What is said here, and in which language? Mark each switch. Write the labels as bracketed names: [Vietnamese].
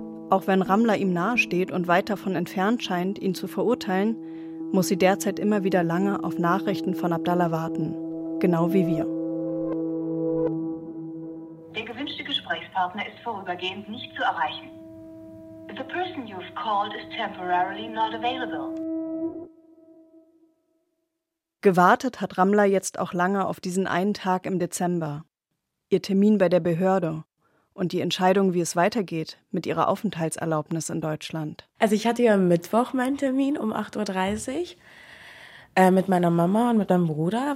[German] Auch wenn Ramla ihm nahesteht und weit davon entfernt scheint, ihn zu verurteilen, muss sie derzeit immer wieder lange auf Nachrichten von Abdallah warten. Genau wie wir. Der gewünschte Gesprächspartner ist vorübergehend nicht zu erreichen. [English] The person you've called is temporarily not available. [German] Gewartet hat Ramla jetzt auch lange auf diesen einen Tag im Dezember. Ihr Termin bei der Behörde und die Entscheidung, wie es weitergeht mit ihrer Aufenthaltserlaubnis in Deutschland. Also ich hatte ja am Mittwoch meinen Termin um 8.30 Uhr mit meiner Mama und mit meinem Bruder.